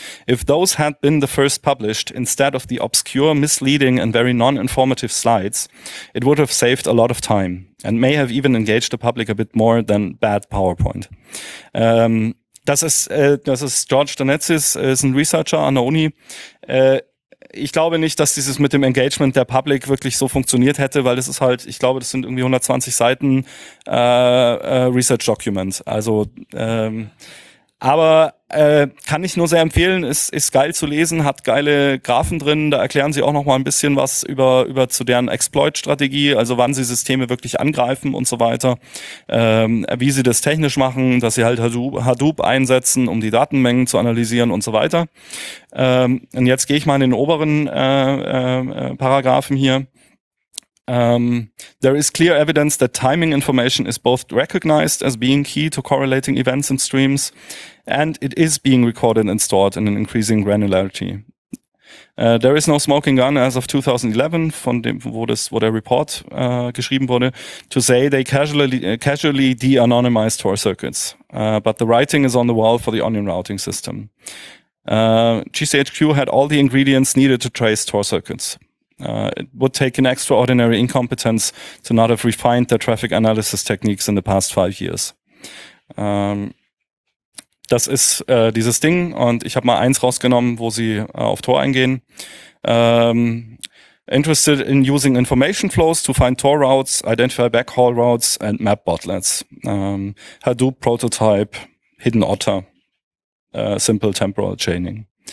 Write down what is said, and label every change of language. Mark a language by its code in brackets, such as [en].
[en] If those had been the first published instead of the obscure, misleading and very non-informative slides, it would have saved a lot of time and may have even engaged the public a bit more than bad PowerPoint." [de] Das ist George Donatsis, ist ein Researcher an der Uni. Ich glaube nicht, dass dieses mit dem Engagement der Public wirklich so funktioniert hätte, weil das ist halt, ich glaube, das sind irgendwie 120 Seiten Research Documents. Also, aber kann ich nur sehr empfehlen, ist geil zu lesen, hat geile Graphen drin, da erklären sie auch nochmal ein bisschen was über zu deren Exploit-Strategie, also wann sie Systeme wirklich angreifen und so weiter, wie sie das technisch machen, dass sie halt Hadoop einsetzen, um die Datenmengen zu analysieren und so weiter. Und jetzt gehe ich mal in den oberen Paragraphen hier. [en] There is clear evidence that timing information is both recognized as being key to correlating events in streams, and it is being recorded and stored in an increasing granularity. There is no smoking gun as of 2011, [de] von dem, wo der Report geschrieben wurde, [en] to say they casually de-anonymized Tor circuits, but the writing is on the wall for the onion routing system. GCHQ had all the ingredients needed to trace Tor circuits. It would take an extraordinary incompetence to not have refined their traffic analysis techniques in the past 5 years. [de] Das ist dieses Ding, und ich habe mal eins rausgenommen, wo sie auf Tor eingehen. [en] Interested in using information flows to find Tor routes, identify backhaul routes and map botlets. Hadoop prototype, hidden otter, simple temporal chaining.